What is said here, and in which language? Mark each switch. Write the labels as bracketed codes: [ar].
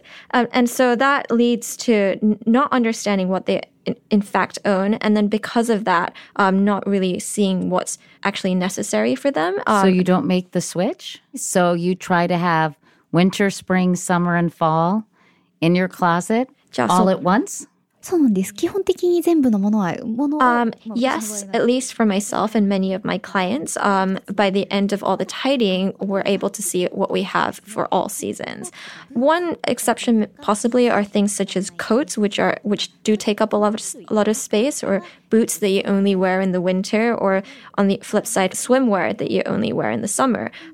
[en] And so that leads to not understanding what they in fact own, and then because of that, not really seeing what's actually necessary for them. So you don't make the switch? So you try to have winter, spring, summer, and fall in your closet all at once? [ja] そうなんです。基本的に全部のものは、ものは、 [en] Yes, at least for myself and many of my clients, by the end of all the tidying, we're able to see what we have for all seasons. One exception possibly are things such as coats, which do take up a lot of space, or boots that you only wear in the winter, or on the flip side, swimwear that you only wear in the summer.